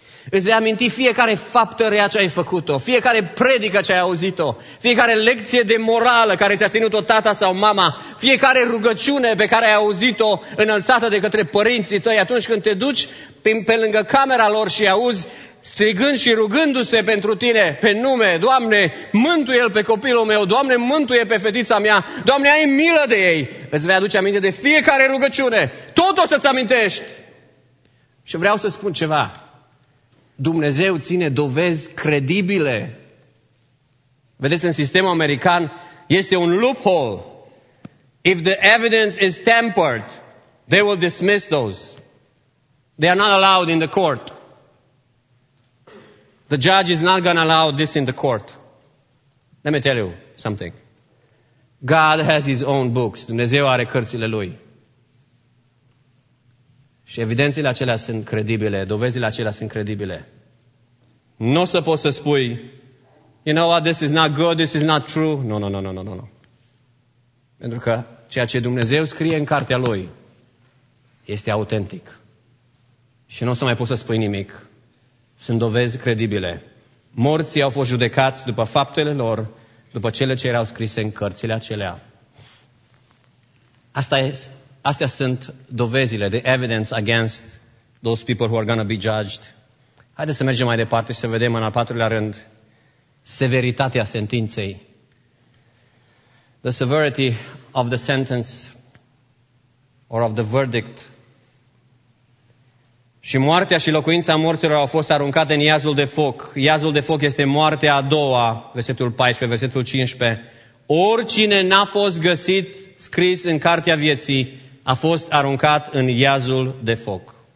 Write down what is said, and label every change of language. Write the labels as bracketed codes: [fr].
[ro] Îți vei aminti fiecare faptă rea ce ai făcut-o, fiecare predică ce ai auzit-o, fiecare lecție de morală care ți-a ținut-o tata sau mama, fiecare rugăciune pe care ai auzit-o înălțată de către părinții tăi atunci când te duci pe lângă camera lor și auzi strigând și rugându-se pentru tine pe nume, Doamne, mântuie-l pe copilul meu, Doamne, mântuie pe fetița mea, Doamne, ai milă de ei, îți vei aduce aminte de fiecare rugăciune, tot o să-ți amintești. Și vreau să spun ceva. Dumnezeu ține dovezi credibile. Vedeți, în sistemul american este un loophole. [en] If the evidence is tampered, they will dismiss those. They are not allowed in the court. The judge is not going to allow this in the court. Let me tell you something. God has his own books. [ro] Dumnezeu are cărțile Lui. Și evidențiile acelea sunt credibile, dovezile acelea sunt credibile. Nu o să poți să spui, you know what, this is not good, this is not true. Nu, nu, nu, nu, nu, nu. Pentru că ceea ce Dumnezeu scrie în cartea Lui este autentic. Și nu o să mai poți să spui nimic. Sunt dovezi credibile. Morții au fost judecați după faptele lor, după cele ce erau scrise în cărțile acelea. Astea sunt dovezile, the evidence against those people who are going to be judged. Haideți să mergem mai departe și să vedem în al patrulea rând severitatea sentinței. [en] The severity of the sentence or of the verdict. [ro] Și moartea și locuința morților au fost aruncate în iazul de foc. Iazul de foc este moartea a doua, versetul 14, versetul 15. Oricine n-a fost găsit scris în cartea vieții a fost aruncat în iazul de foc.